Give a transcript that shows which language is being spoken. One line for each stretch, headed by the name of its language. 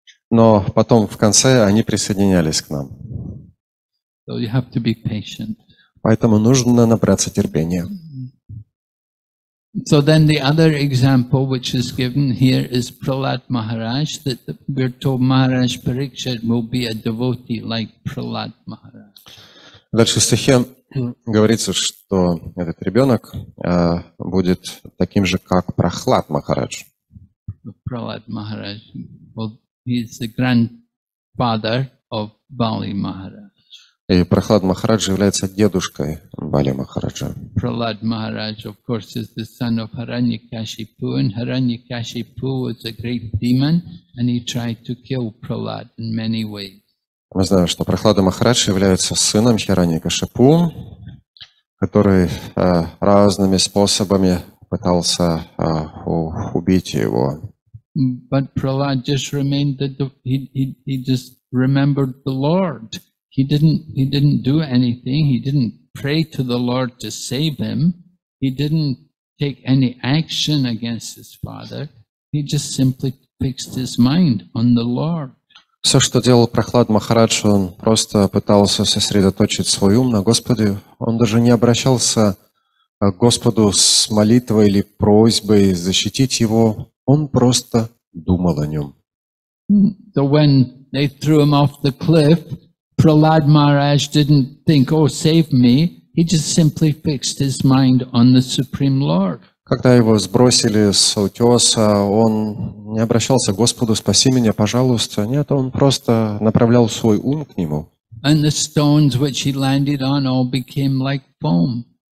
Russian: Но потом, в конце, они присоединялись к нам.
English: So you have to be patient.
Russian: Поэтому нужно набраться терпения.
English: So then the other example, which is given here, is Prahlad Maharaj, that we're told Maharaj Parikshit will be a devotee like Prahlad Maharaj.
Russian: Дальше в стихе говорится, что этот ребенок будет таким же, как Прахлад Махарадж.
English: Prahlad Maharaj, well, he's the grandfather of Bali Maharaj.
Russian: И Прахлад Махарадж является дедушкой Бали Махараджа.
English: Прахлад Махарадж, of course, is the son of Hiranyakashipu, and Hiranyakashipu was a great demon, and he tried to kill Prahlad in many ways.
Russian: Мы знаем, что Прахлад Махарадж является сыном Хираньякашипу, который разными способами пытался убить его.
English: But Prahlad just remained he just remembered the Lord. He didn't do anything. He didn't pray to the Lord to save him. He didn't take any action against his father, he just simply fixed his mind on the Lord.
Russian: Все, что делал Прохлад Махарадж, он просто пытался сосредоточить свой ум на Господе. Он даже не обращался к Господу с молитвой или просьбой защитить его. Он просто думал о нем.
English: So when they threw him off the cliff, Prahlad Maharaj didn't think, "Oh, save me." He just simply fixed his mind on the Supreme Lord.
Russian: Когда его сбросили с утеса, он не обращался к Господу, спаси меня, пожалуйста. Нет, он просто направлял свой ум к нему.
English: And the stones which he landed on all became like foam.